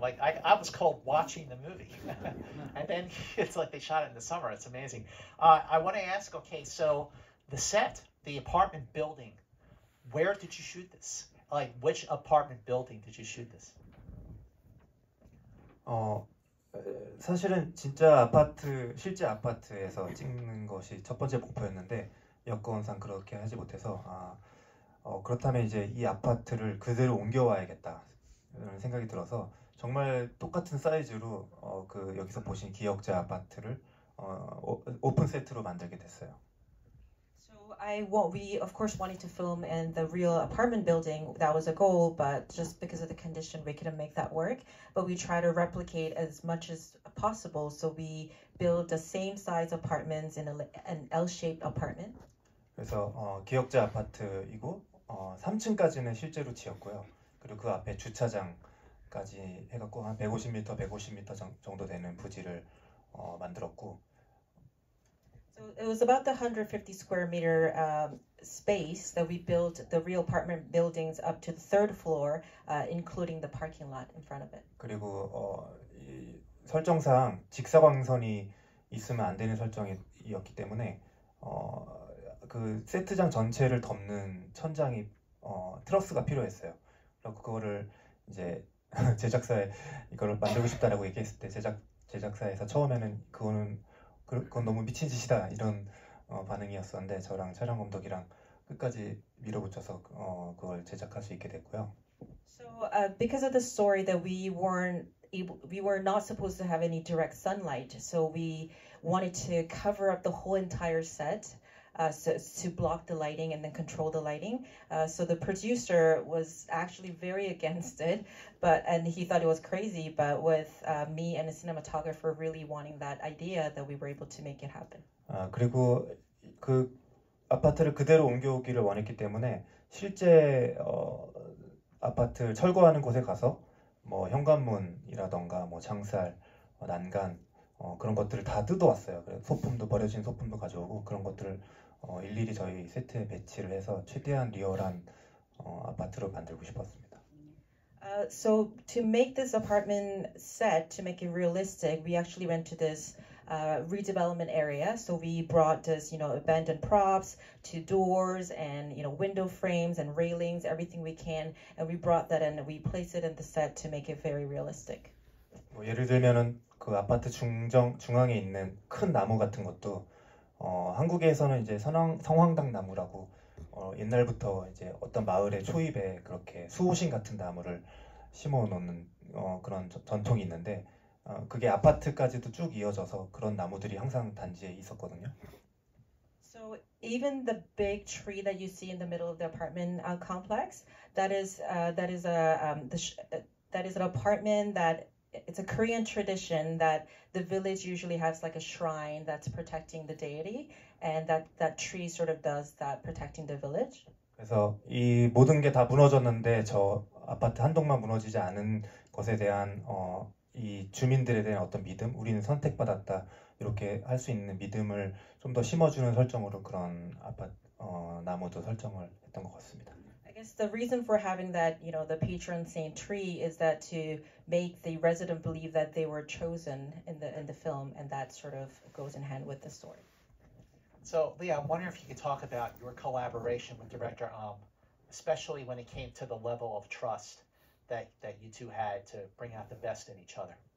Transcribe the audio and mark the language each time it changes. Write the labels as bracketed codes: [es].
[en] Like I was cold watching the movie, and then it's like they shot it in the summer. It's amazing. I want to ask. Okay, so the set, the apartment building, where did you shoot this? Like, which apartment building did you shoot this? [ko] 사실은 진짜 아파트, 실제 아파트에서 찍는 것이 첫 번째 목표였는데 여건상 그렇게 하지 못해서 그렇다면 이제 이 아파트를 그대로 옮겨와야겠다 이런 생각이 들어서 정말 똑같은 사이즈로 그 여기서 보신 기역자 아파트를 오픈 세트로 만들게 됐어요. [en] We of course wanted to film in the real apartment building. That was a goal, but just because of the condition, we couldn't make that work. But we try to replicate as much as possible. So we build the same size apartments in an L-shaped apartment. [ko] 그래서 기역자 아파트이고 3층까지는 실제로 지었고요. 그리고 그 앞에 주차장까지 해갖고 한 150m, 150m 정도 되는 부지를 만들었고 [en] It was about the 150 square meter space that we built the real apartment buildings up to the third floor, including the parking lot in front of it. [ko] 그리고 이 설정상 직사광선이 있으면 안 되는 설정이었기 때문에 그 세트장 전체를 덮는 천장이 트러스가 필요했어요. 그래서 그거를 이제 제작사에 이거를 만들고 싶다라고 얘기했을 때 제작사에서 처음에는 그건 너무 미친 짓이다 이런 반응이었었는데 저랑 촬영 감독이랑 끝까지 밀어붙여서 그걸 제작할 수 있게 됐고요. [en] So, because of the story that we were not supposed to have any direct sunlight, so we wanted to cover up the whole entire set to block the lighting and then control the lighting. So the producer was actually very against it, and he thought it was crazy, but with me and the cinematographer really wanting that idea, that we were able to make it happen. [ko] 그리고 그 아파트를 그대로 옮겨오기를 원했기 때문에 실제 아파트를 철거하는 곳에 가서 뭐 현관문이라던가 뭐 창살, 난간 그런 것들을 다 뜯어왔어요. 소품도 버려진 소품도 가져오고 그런 것들을 일일이 저희 세트에 배치를 해서 최대한 리얼한 아파트로 만들고 싶었습니다. [en] So to make this apartment set, to make it realistic, we actually went to this redevelopment area. So we brought this, you know, abandoned props to doors and, you know, window frames and railings, everything we can. And we brought that and we placed it in the set to make it very realistic. [ko] 뭐 예를 들면은 그 아파트 중앙에 있는 큰 나무 같은 것도 한국에서는 이제 성황당 나무라고 옛날부터 이제 어떤 마을의 초입에 그렇게 수호신 같은 나무를 심어놓는 그런 전통이 있는데 그게 아파트까지도 쭉 이어져서 그런 나무들이 항상 단지에 있었거든요. [en] So even the big tree that you see in the middle of the apartment complex, that is an apartment that it's a Korean tradition that the village usually has like a shrine that's protecting the deity. And that tree sort of does that, protecting the village. [ko] 그래서 이 모든 게 다 무너졌는데 저 아파트 한 동만 무너지지 않은 것에 대한 이 주민들에 대한 어떤 믿음, 우리는 선택받았다 이렇게 할 수 있는 믿음을 좀 더 심어주는 설정으로 그런 아파트 나무도 설정을 했던 것 같습니다. [en] I guess the reason for having that, you know, the patron saint tree is that to make the resident believe that they were chosen in the film, and that sort of goes in hand with the story. So, Leah, I wonder if you could talk about your collaboration with director especially when it came to the level of trust that you two had to bring out the best in each other.